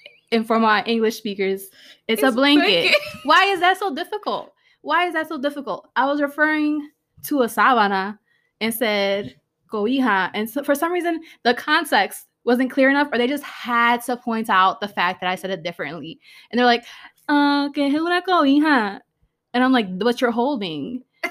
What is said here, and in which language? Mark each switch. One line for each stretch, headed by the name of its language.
English: And for my English speakers, it's a blanket. Why is that so difficult? I was referring to a sábana and said cobija. And so for some reason, the context wasn't clear enough, or they just had to point out the fact that I said it differently.
Spanish: And they're like, ¿qué es una cobija?
English: And I'm like, what you're holding?